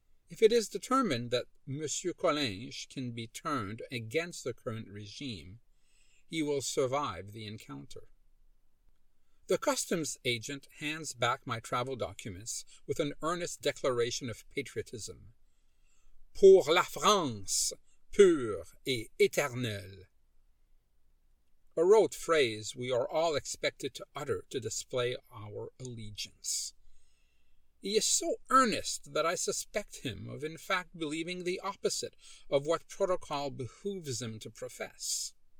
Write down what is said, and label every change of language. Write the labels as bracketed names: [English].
[English] If it is determined that Monsieur Collinge can be turned against the current regime, he will survive the encounter. The customs agent hands back my travel documents with an earnest declaration of patriotism. [French] Pour la France, pure et éternelle. [English] A rote phrase we are all expected to utter to display our allegiance. He is so earnest that I suspect him of in fact believing the opposite of what protocol behooves him to profess.